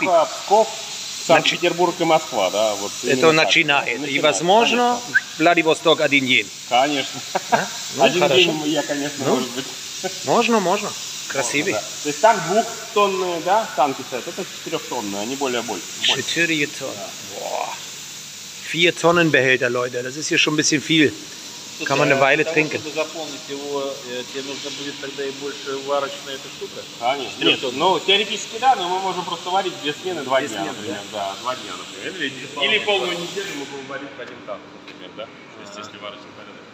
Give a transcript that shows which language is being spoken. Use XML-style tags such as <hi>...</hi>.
<ru>Только Псков. Санкт-Петербург и Москва, да. Вот это начинает. И, возможно, конечно. Владивосток один день. Конечно. А? Ну, один хорошо. День я, конечно, ну, может быть. Можно, можно. Красивый. Можно, да. То есть там двухтонные, да, танки стоят. Это четырехтонные, они более больше. Четыре тонны.</ru> <de>Вier Tonnen Behälter, Leute. Das ist hier schon ein bisschen viel. Kann man eine Weile trinken.</de> <ru>Чтобы заполнить его, тебе нужно будет тогда и больше варочная эта штука? Конечно. Нет, ну, теоретически да, но мы можем просто варить две смены, два дня, например. Да, два дня, например. Или полную неделю мы будем варить по один танк, например, да? То есть, если варочный порядок.</ru>